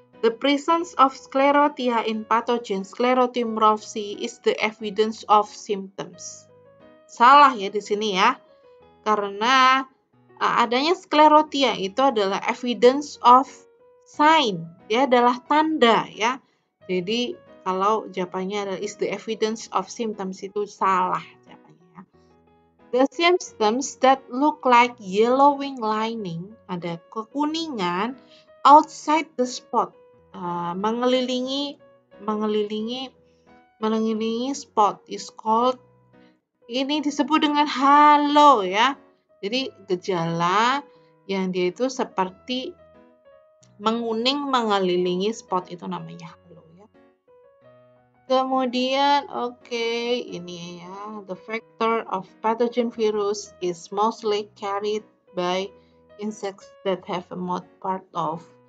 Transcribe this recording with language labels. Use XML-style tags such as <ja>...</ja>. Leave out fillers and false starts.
<en>The presence of sclerotia in pathogen sclerotimorphy is the evidence of symptoms.</en> <id>Salah ya di sini ya. Karena adanya sclerotia itu adalah</id> <en>evidence of sign,</en> <id>ya adalah tanda ya. Jadi kalau jawabannya adalah</id> <en>is the evidence of symptoms,</en> <id>itu salah jawabannya.</id> <en>The symptoms that look like yellowing lining,</en> <id>ada kekuningan</id> <en>outside the spot,</en> <id>mengelilingi spot</id> <en>is called,</en> <id>ini disebut dengan halo ya. Jadi gejala yang dia itu seperti menguning mengelilingi spot itu, namanya halo ya. Kemudian ini ya,</id> <en>the vector of pathogen virus is mostly carried by insects that have a mouth part of.</en>